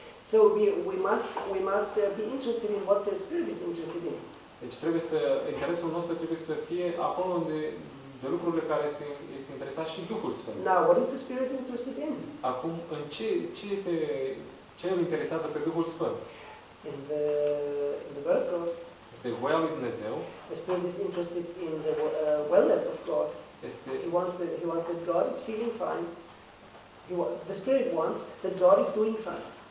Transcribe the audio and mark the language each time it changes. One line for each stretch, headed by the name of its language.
English: So we must be interested in what the Spirit is interested in.
Romanian: Deci trebuie să interesul nostru trebuie să fie acolo unde de lucrurile care este interesat și Duhul Sfânt.
English: Now, what is the Spirit interested in?
Romanian: Acum în ce este ce îl interesează pe Duhul Sfânt?
English: In the will of God.
Romanian: Este voia lui Dumnezeu.
English: The Spirit is interested in the wellness of God. He wants that God is feeling fine. The Spirit wants that God is doing fine.